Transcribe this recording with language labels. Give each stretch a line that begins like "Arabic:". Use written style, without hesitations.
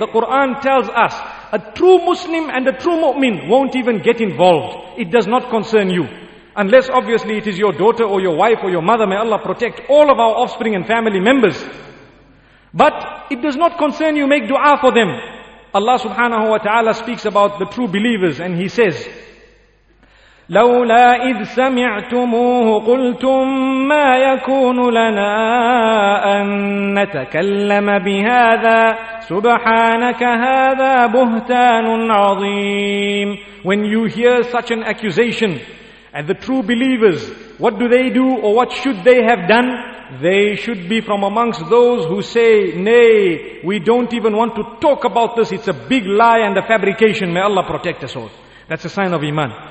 English: The Quran tells us a true Muslim and a true mu'min won't even get involved. It does not concern you. Unless obviously it is your daughter or your wife or your mother, may Allah protect all of our offspring and family members. But it does not concern you, make dua for them. Allah subhanahu wa ta'ala speaks about the true believers and he says,
Arabic: لولا إذ سمعتموه قلتم ما يكون لنا أن نتكلم بهذا سبحانك هذا بهتان عظيم.
English: When you hear such an accusation And the true believers, what do they do or what should they have done? They should be from amongst those who say, nay, we don't even want to talk about this. It's a big lie and a fabrication. May Allah protect us all. That's a sign of iman.